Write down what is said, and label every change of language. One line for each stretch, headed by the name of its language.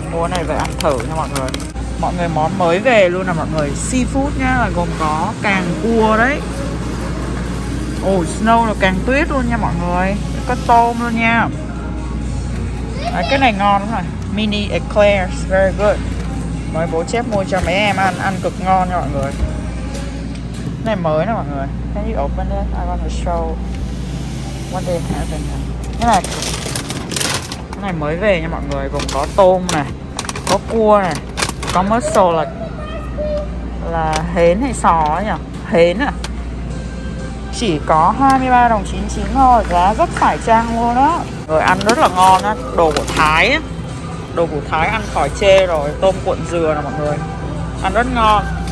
Vietnamese: Mình mua này về ăn thử nha mọi người. Mọi người món mới về luôn nè mọi người, seafood nha, là gồm có càng cua đấy. Ôi, snow là càng tuyết luôn nha mọi người. Có tôm luôn nha. Đấy, cái này ngon lắm rồi.
English: Mini eclairs, very good.
Vietnamese: Mời bố chép mua cho mấy em ăn, ăn cực ngon nha mọi người. Cái này mới nè mọi người.
English: Can you open it? I want to show what they have in here.
Vietnamese: Cái này mới về nha mọi người. Gồm có tôm này, có cua này, có mussel là hến hay sò ấy nhỉ? Hến à. chỉ có 23.99 thôi, giá rất phải chăng luôn đó. Rồi ăn rất là ngon á, đồ của Thái á. Đồ của Thái ăn khỏi chê rồi, tôm cuộn dừa nè mọi người. Ăn rất ngon.